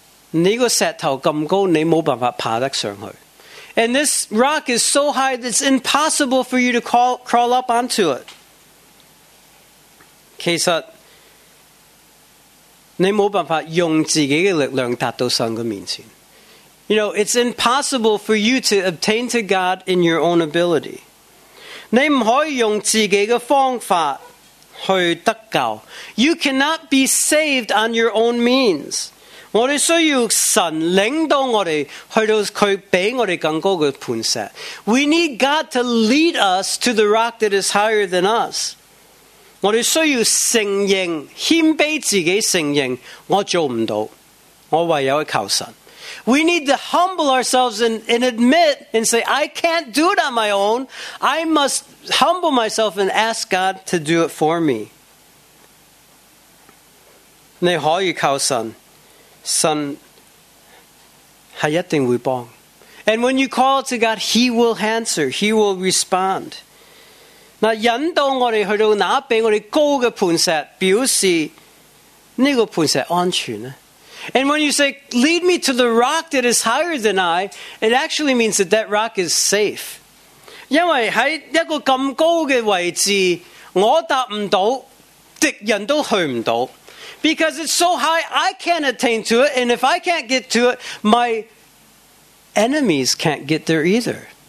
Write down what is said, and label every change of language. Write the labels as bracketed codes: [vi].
[zh] 这个石头这么高，你没办法爬得上去。 [en] And this rock is so high that it's impossible for you to crawl up onto it. [zh] 其实你没办法用自己的力量达到神的面前。 [en] You know, it's impossible for you to obtain to God in your own ability. [zh] 你不可以用自己的方法去得救。 [en] You cannot be saved on your own means. [zh] 我们需要神领导我们去到祂给我们更高的磐石。 [en] We need God to lead us to the rock that is higher than us. [zh] 我们需要承认，谦卑自己承认，我做不到，我唯有靠神。 [en] We need to humble ourselves and admit and say, I can't do it on my own. I must humble myself and ask God to do it for me. [zh] 你可以靠神。神是一定会帮。 [en] And when you call to God, He will answer. He will respond. [zh] 那引导我们去到那比我们高的磐石，表示这个磐石安全。 [en] And when you say, lead me to the rock that is higher than I, it actually means that rock is safe. [zh] 因为在一个这么高的位置，我达不到，敌人都去不到。 [en] Because it's so high, I can't attain to it. And if I can't get to it, my enemies can't get there either.